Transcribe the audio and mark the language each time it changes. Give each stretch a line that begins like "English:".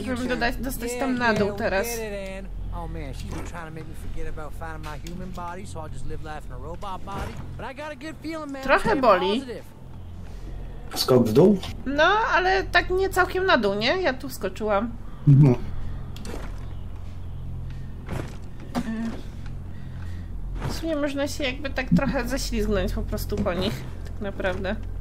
Polish: Żebym dostać tam na dół teraz.
English: Oh man, she's been trying to make me forget about finding my human body, so I'll just live life in a robot body. But I got a good feeling, man.
Polish: Trochę boli. Skok w dół? No, ale tak nie całkiem na dół, nie? Ja tu skoczyłam. W sumie można się jakby tak trochę ześlizgnąć po prostu po nich, tak naprawdę.